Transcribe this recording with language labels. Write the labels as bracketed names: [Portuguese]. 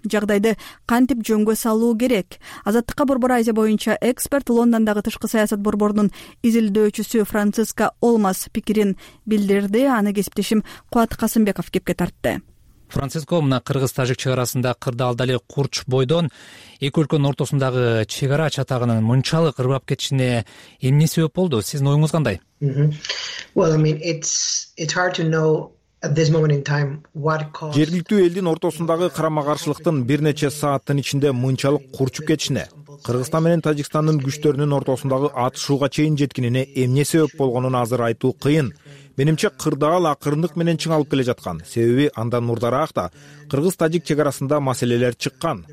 [Kyrgyz] Жагдайды кантип жөнгө салуу керек? Азаттыкка Борбор Азия боюнча эксперт, Лондондагы тышкы саясат борборунун изилдөөчүсү Франциска Олмас пикирин билдирди. Аны кесиптешим Кубат Касымбеков кепке тартты. Франциско, мына кыргыз тажик чекарасында кырдаал дале курч бойдон эки өлкөнүн ортосундагы чекара чатагынын мынчалык ырбап кетишине эмне себеп болду? Сиздин оюңуз кандай? [English] Well, I mean, it's hard to know at this moment in time what caused. [Kyrgyz] Жергиликтүү элдин ортосундагы карама-каршылыктын бир нече сааттын ичинде мынчалык курчуп кетишине, Кыргызстан менен Тажикстандын күчтөрүнүн ортосундагы атышууга чейин жеткинине эмне себеп болгонун азыр айтуу кыйын. Менимче, кырдаал акырындык менен чыңалып келе жаткан. Себеби андан мурдараак да кыргыз-тажик чек арасында маселелер чыккан.